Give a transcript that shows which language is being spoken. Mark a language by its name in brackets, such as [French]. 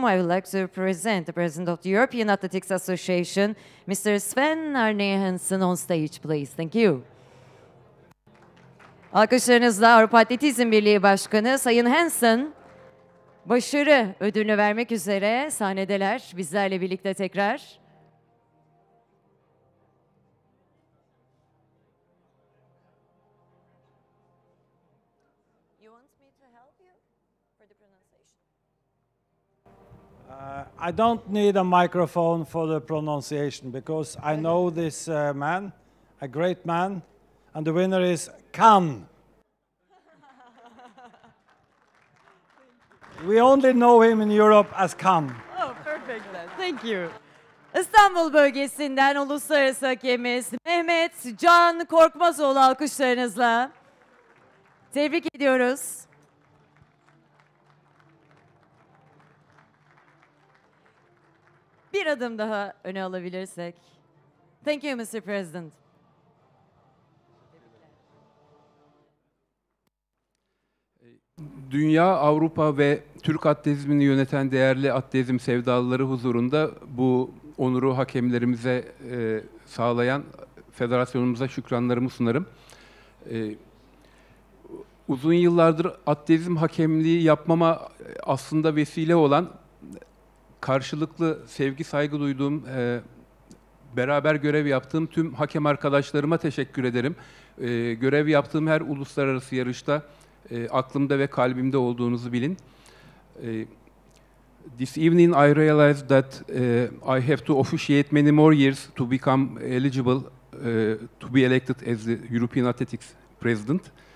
[English] I would like to present the President of the European Athletics Association, Mr. Sven Arne Hansen on stage, please. Thank you. [Turkish] Alkışlarınızla Avrupa Atletizm Birliği Başkanı Sayın Hansen, başarı ödülünü vermek üzere sahnedeler bizlerle birlikte tekrar. [English] I don't need a microphone for the pronunciation because I know this man, a great man, and the winner is Kan. We only know him in Europe as Kan. Oh, perfect then. Thank you. [Turkish] İstanbul bölgesinden uluslararası hakemimiz Mehmet Can Korkmazoğlu alkışlarınızla tebrik ediyoruz. Bir adım daha öne alabilirsek. [English] Thank you, Mr. President. [Turkish] Dünya, Avrupa ve Türk atletizmini yöneten değerli atletizm sevdalıları huzurunda bu onuru hakemlerimize sağlayan federasyonumuza şükranlarımı sunarım. Uzun yıllardır atletizm hakemliği yapmama aslında vesile olan karşılıklı sevgi saygı duyduğum, beraber görev yaptığım tüm hakem arkadaşlarıma teşekkür ederim. Görev yaptığım her uluslararası yarışta aklımda ve kalbimde olduğunuzu bilin. [English] This evening I realized that I have to officiate many more years to become eligible to be elected as the European Athletics President.